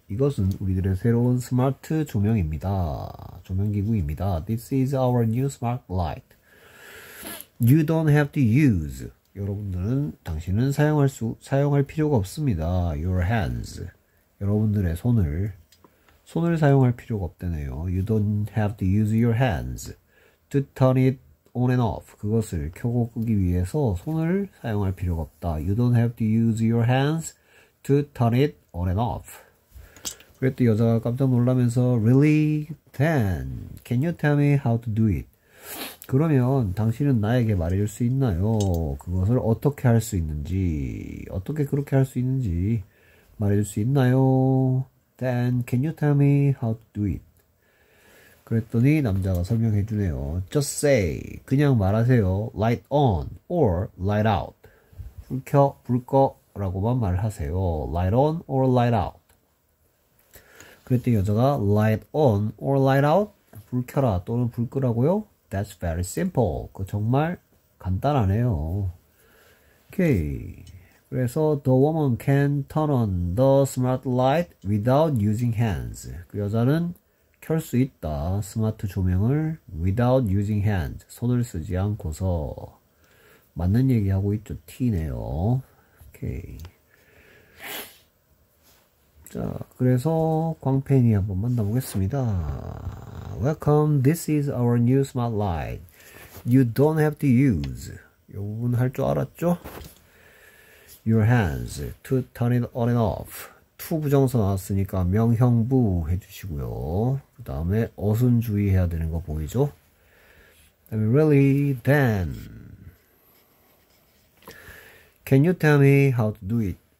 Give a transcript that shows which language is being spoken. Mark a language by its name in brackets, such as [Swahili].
[Korean] 이것은 우리들의 새로운 스마트 조명입니다. 조명기구입니다. [English] This is our new smart light. You don't have to use. [Korean] 여러분들은, 당신은 사용할 필요가 없습니다. [English] Your hands. [Korean] 여러분들의 손을 사용할 필요가 없다네요. [English] You don't have to use your hands to turn it on and off. [Korean] 그것을 켜고 끄기 위해서 손을 사용할 필요가 없다. [English] You don't have to use your hands to turn it on and off. [Korean] 그랬더니 여자가 깜짝 놀라면서, [English] Really? Then, can you tell me how to do it? [Korean] 그러면 당신은 나에게 말해줄 수 있나요? 그것을 어떻게 할수 있는지, 어떻게 그렇게 할수 있는지 말해줄 수 있나요? [English] Then, can you tell me how to do it? [Korean] 그랬더니 남자가 설명해 주네요. [English] Just say, [Korean] 그냥 말하세요. [English] Light on or light out. [Korean] 불 켜, 불 꺼 라고만 말하세요. [English] Light on or light out. [Korean] 그랬더니 여자가 [English] light on or light out? [Korean] 불 켜라 또는 불 끄라고요? [English] That's very simple. [Korean] 그 정말 간단하네요. [English] Okay. 그래서 the woman can turn on the smart light without using hands. [Korean] 그 여자는 켤수 있다. 스마트 조명을 [English] without using hands. [Korean] 손을 쓰지 않고서. 맞는 얘기하고 있죠. T네요. Okay. 자, 그래서 광팬이 한번 만나보겠습니다. [English] Welcome, this is our new smart light. You don't have to use. [Korean] 이 부분 할줄 알았죠? [English] Your hands to turn it on and off. [Korean] To 부정사 나왔으니까 명형부 해주시고요. 그 다음에 어순 주의해야 되는 거 보이죠? [English] Really, then. Can you tell me how to do it?